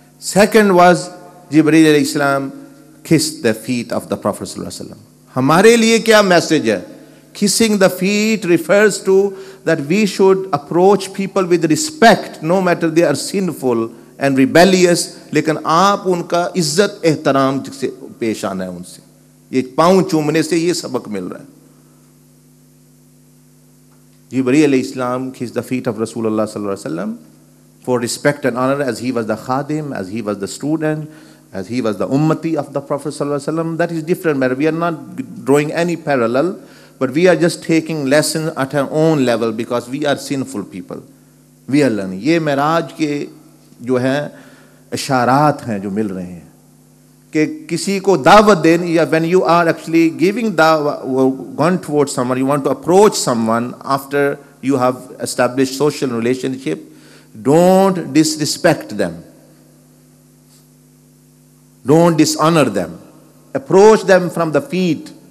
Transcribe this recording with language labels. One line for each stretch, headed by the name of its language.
English: Second was Jibreel alayhi salam kissed the feet of the Prophet sallallahu alaihi wasallam.
Hindi: Hamare liye kya message hai?
English: Kissing the feet refers to that we should approach people with respect, no matter they are sinful and rebellious.
Hindi: Lekin aap unka izzat ehtiram se pesh aana hai unse. ये पांव चूमने से ये सबक मिल रहा है.
English: Jibreel अलैहि सलाम kissed the feet of रसूलुल्लाह सल्लल्लाहु अलैहि वसल्लम for respect and honor, as he was the khadim, as he was the student, as he was the ummati of the Prophet sallallahu alaihi wasallam. That is different matter. We are not drawing any parallel, but we are just taking lessons at our own level, because we are sinful people. We are learning.
Hindi: ये मेराज के जो हैं इशारात हैं जो मिल रहे हैं. Ke kisi ko daawat den,
English: yeah, when you are actually giving daawat, gone towards someone, you want to approach someone after you have established social relationship, don't disrespect them. Don't dishonor them. Approach them from the feet.